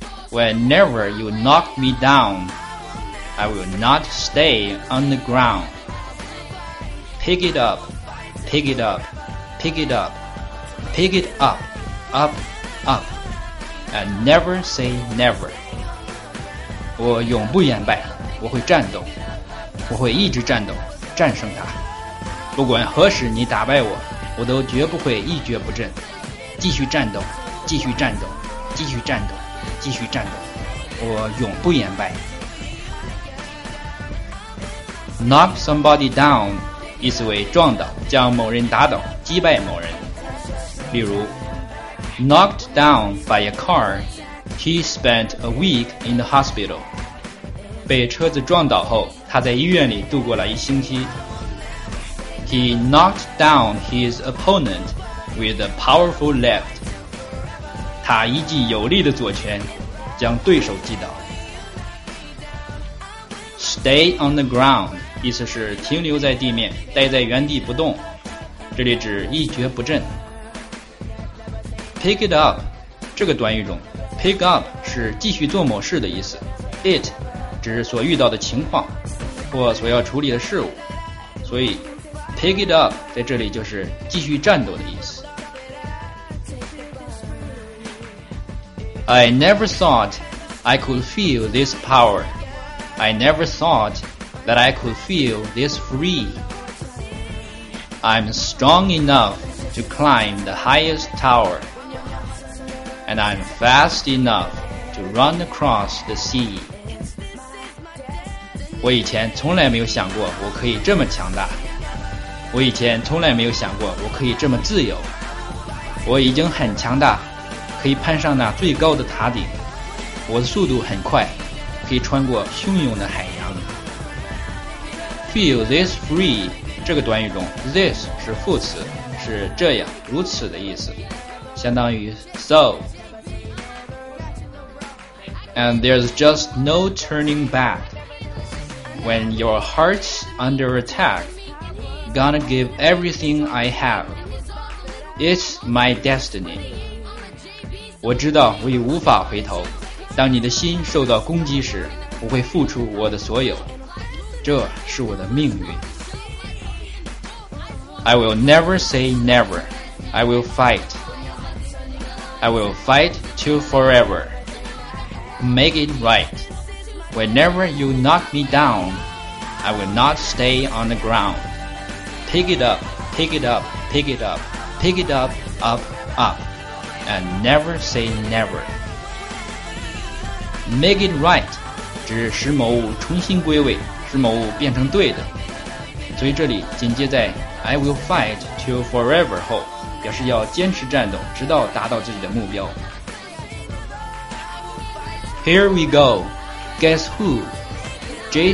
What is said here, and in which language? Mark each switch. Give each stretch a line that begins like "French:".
English: Whenever you knock me down, I will not stay on the ground. Pick it up. Pick it up. Pick it up. Pick it up, up, up, and never say never.
Chinese: 我永不言败，我会战斗，我会一直战斗，战胜他。不管何时你打败我，我都绝不会一蹶不振。继续战斗，继续战斗，继续战斗，继续战斗，我永不言败。
English: Knock somebody down,
Chinese: 意思为撞倒，将某人打倒，击败某人。例如
English: Knocked down by a car, he spent a week in the hospital.
Chinese: 被车子撞倒后，他在医院里度过了一星期。
English: He knocked down his opponent with a powerful left.
Chinese: 他一记有力的左拳将对手击倒。
English: Stay on the ground,
Chinese: 意思是停留在地面，待在原地不动。这里指一蹶不振。 Pick it up, 这个短语中 pick up 是继续做某事的意思。 It 指所遇到的情况或所要处理的事物，所以
English: pick it up
Chinese: 在这里就是继续战斗的意思。
English: I never thought I could feel this power. I never thought that I could feel this free. I'm strong enough to climb the highest towerAnd I'm fast enough to run across the sea.
Chinese: 我以前从来没有想过我可以这么强大。我以前从来没有想过我可以这么自由。我已经很强大，可以攀上那最高的塔顶。我的速度很快，可以穿过汹涌的海洋。
English: Feel this free,
Chinese: 这个短语中 this 是副词，是这样、如此的意思。相当于 so.
English: And there's just no turning back. When your heart's under attack, gonna give everything I have. It's my destiny.
Chinese: 我知道我已无法回头，当你的心受到攻击时，我会付出我的所有，这是我的命运。
English: I will never say never. I will fight. I will fight till forever. Make it right. Whenever you knock me down, I will not stay on the ground. Pick it up, pick it up, pick it up, pick it up, up, up, and never say never. Make it right.
Chinese: 指使某物重新归位，使某物变成对的。所以这里紧接在
English: I will fight till forever
Chinese: 后，表示要坚持战斗，直到达到自己的目标。
English: Here we go. Guess who? J.